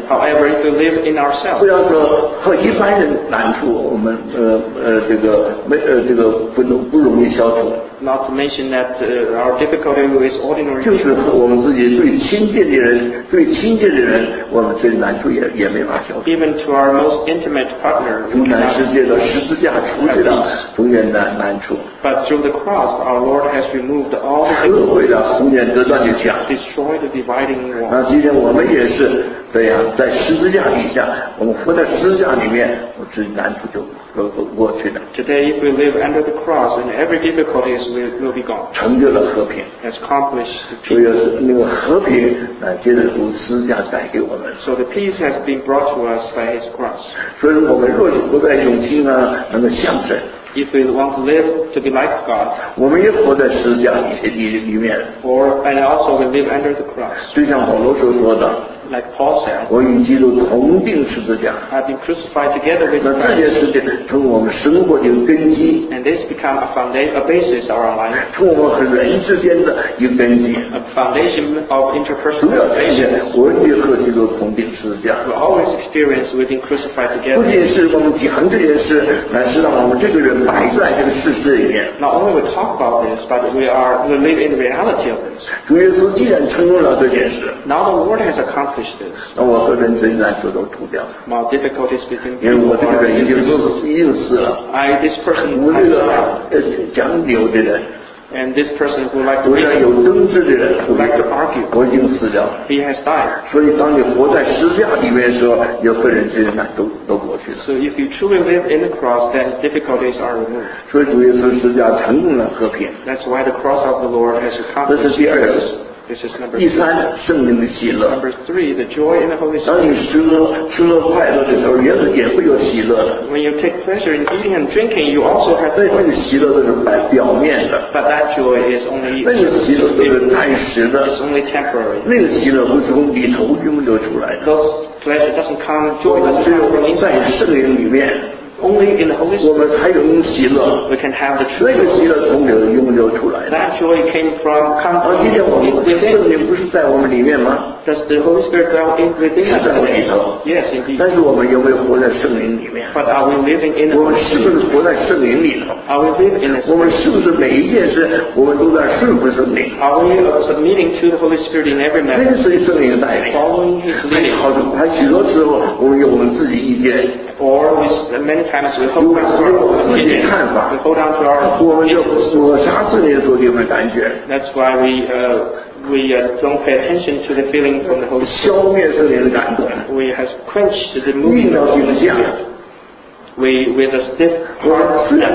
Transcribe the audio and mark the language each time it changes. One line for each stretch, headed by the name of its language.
English: However, if we live in ourselves,
Chinese: 不要说和一般人难处，我们这个没这个不容易消除。
English: Not to mention that our difficulty with ordinary
Chinese: 就是我们自己最亲近的人，最亲近的人，我们最难处也没法消除。
English: Even to our most intimate partner,
Chinese: 从全世界的十字架除去了中间的难处。
English: But through the cross, our Lord has removed all the.
Chinese: 摧毁了中间隔断的墙。
English: Destroyed the dividing wall.
Chinese: 那今天我们也是这样，在十字架底下，我们活在十字架里面，我自己难处就过去了。
English: Today, if we live under the cross, and every difficulty is will be gone.
Chinese: 成就了和平。
English: Has accomplished.
Chinese: 所以那个和平啊，接着从十字架带给我们。
English: So the peace has been brought to us by His cross.
Chinese: 所以我们若是活在永清啊，那个象征。
English: If we want to live to be like God.
Chinese: 我们也活在十字架里面。
English: Or and also we live under the cross.
Chinese: 就像保罗所说的。
English: Like Paul said.
Chinese: 我与基督同钉十字架。
English: I've been crucified together with Christ.
Chinese: 那这件事情成为我们生活的根基。
English: And this become a foundation, a basis of our life.
Chinese: 成为我们和人之间的一个根基。
English: A foundation of interpersonal relationships.
Chinese: 我与基督同钉十字架。
English: We always experience we've been crucified together.
Chinese: 不仅是我们讲这件事，乃是让我们这个人摆在这个事实里面。
English: Not only we talk about this, but we live in the reality of this.
Chinese: 主耶稣既然成功了这件事。
English: Now the Lord has accomplished.
Chinese: 那我和人真难处都除掉了。
English: My difficulties between people.
Chinese: 因为我这个人已经死了。
English: I this person.
Chinese: 无论是讲理的人。
English: And this person who like to.
Chinese: 无论有争执的人。
English: Who like to argue.
Chinese: 我已经死掉了。
English: He has died.
Chinese: 所以当你活在十字架里面的时候，你和人真难都过去了。
English: So if you truly live in the cross, then difficulties are removed.
Chinese: 所以主耶稣十字架成功了和平。
English: That's why the cross of the Lord has accomplished.
Chinese: 这是第二个。第三，圣灵的喜乐。
English: Number three, the joy in the Holy Spirit.
Chinese: 当你吃了快乐的时候，也会有喜乐的。
English: When you take pleasure in eating and drinking, you also have joy.
Chinese: 那份喜乐都是表面的。
English: But that joy is only.
Chinese: 那份喜乐都是暂时的。
English: It's only temporary.
Chinese: 那个喜乐不是从里头涌流出来的。
English: Those pleasure doesn't come. Joy doesn't come from inside.
Chinese: 在圣灵里面。
English: Only in the Holy Spirit,
Chinese: 我们才有喜乐。
English: We can have the true.
Chinese: 那个喜乐从里涌流出来。
English: That joy came from.
Chinese: 而今天我们圣灵不是在我们里面吗？
English: Does the Holy Spirit dwell in within us?
Chinese: 是在我们里头。
English: Yes, indeed.
Chinese: 但是我们有没有活在圣灵里面？
English: But are we living in?
Chinese: 我们是不是活在圣灵里头？
English: Are we living in?
Chinese: 我们是不是每一件事我们都在顺服圣灵？
English: Are we submitting to the Holy Spirit in every matter?
Chinese: 跟随圣灵带领。
English: Following His leading.
Chinese: 还许多时候我们有我们自己意见。
English: Or with many times we hold on to our opinion. We hold on to our opinion. That's why we don't pay attention to the feeling from the Holy Spirit. We have quenched the moving of the Holy Spirit. We with a stiff heart.